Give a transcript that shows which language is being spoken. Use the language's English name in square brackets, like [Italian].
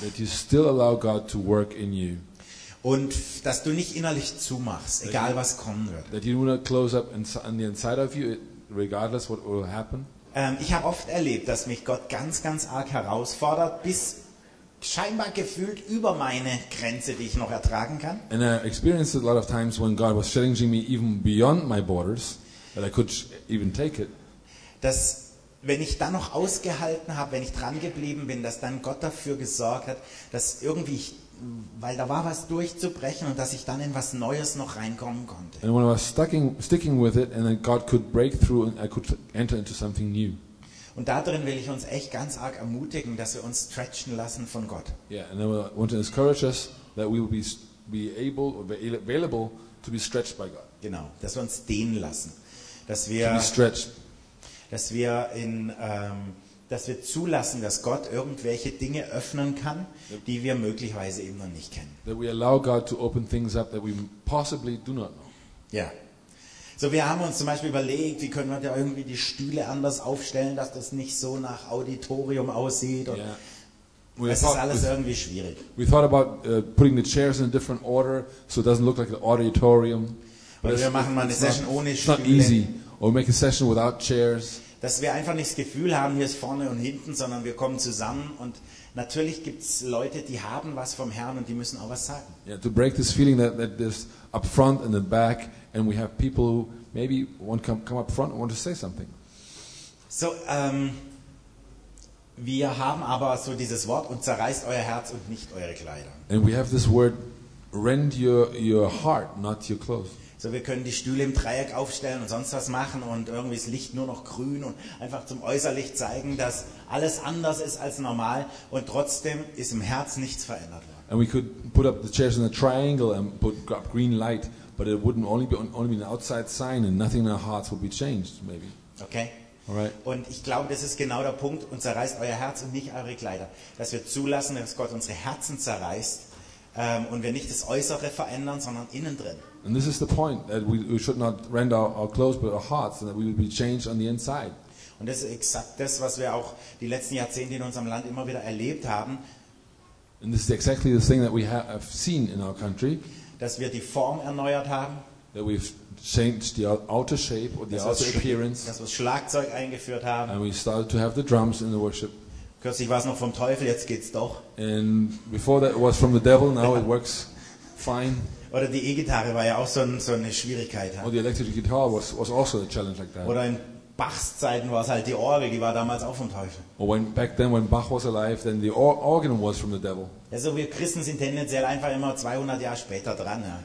[English] That you still allow God to work in you. [German] Und dass du nicht innerlich zumachst, egal was kommen wird. [English] That you do not close up on the inside of you, regardless what will happen. [German] Ich habe oft erlebt, dass mich Gott ganz, ganz arg herausfordert, bis scheinbar gefühlt über meine Grenze, die ich noch ertragen kann. [English] And I experienced it a lot of times when God was challenging me even beyond my borders, that I could even take it. [German] Dass, wenn ich dann noch ausgehalten habe, wenn ich dran geblieben bin, dass dann Gott dafür gesorgt hat, dass irgendwie ich, weil da war was durchzubrechen und dass ich dann in was Neues noch reinkommen konnte. [English] And when I was sticking with it and then God could break through and I could enter into something new. [German] Und darin will ich uns echt ganz arg ermutigen, dass wir uns stretchen lassen von Gott. [English] Yeah, and I want to encourage us that we will be able to be stretched by God. [German] Genau, dass wir uns dehnen lassen. Dass wir [English] stretched. [German] Dass wir in dass wir zulassen, dass Gott irgendwelche Dinge öffnen kann, die wir möglicherweise eben noch nicht kennen. [English] That we allow God to open things up that we possibly do not know. [German] Ja. So, wir haben uns zum Beispiel überlegt, wie können wir da irgendwie die Stühle anders aufstellen, dass das nicht so nach Auditorium aussieht. Und yeah. Das ist alles irgendwie schwierig. [English] We thought about putting the chairs in a different order, so it doesn't look like an auditorium. [German] Oder wir machen mal eine Session ohne Stühle. [English] It's not easy. Or we make a session without chairs. [German] Dass wir einfach nicht das Gefühl haben, hier ist vorne und hinten, sondern wir kommen zusammen und natürlich gibt es Leute, die haben was vom Herrn und die müssen auch was sagen. [English] Yeah, to break this feeling that there's up front and the back and we have people who maybe want to come up front and want to say something. [German] So, wir haben aber so dieses Wort und zerreißt euer Herz und nicht eure Kleider. [English] And we have this word, rend your heart, not your clothes. [German] So, wir können die Stühle im Dreieck aufstellen und sonst was machen und irgendwie das Licht nur noch grün und einfach zum äußerlich zeigen, dass alles anders ist als normal und trotzdem ist im Herz nichts verändert worden. [English] And we could put up the chairs in a triangle and put up green light, but it wouldn't only be an outside sign and nothing in our hearts would be changed, maybe. Okay. Alright. [German] Und ich glaube, das ist genau der Punkt, und zerreißt euer Herz und nicht eure Kleider, dass wir zulassen, dass Gott unsere Herzen zerreißt Und wir nicht das Äußere verändern, sondern innen drin. [English] And this is the point, that we should not rend our clothes, but our hearts, and that we will be changed on the inside. [German] Und das ist exakt das, was wir auch die letzten Jahrzehnte in unserem Land immer wieder erlebt haben. [English] And this is exactly the thing that we have seen in our country. [German] Dass wir die Form erneuert haben. [English] That we've changed the outer shape or the outer appearance. [German] Dass wir das Schlagzeug eingeführt haben. [English] And we started to have the drums in the worship. [German] Kürzlich war es noch vom Teufel, jetzt geht's doch. [English] And before that it was from the devil, now it works fine. [German] Oder die E-Gitarre war ja auch so eine Schwierigkeit. [English] Or the electric guitar was also a challenge like that. [German] Oder in Bachs Zeiten war es halt die Orgel, die war damals auch vom Teufel. [English] Or when back then when Bach was alive, then the organ was from the devil. [German] Also wir Christen sind tendenziell einfach immer 200 Jahre später dran. Ja.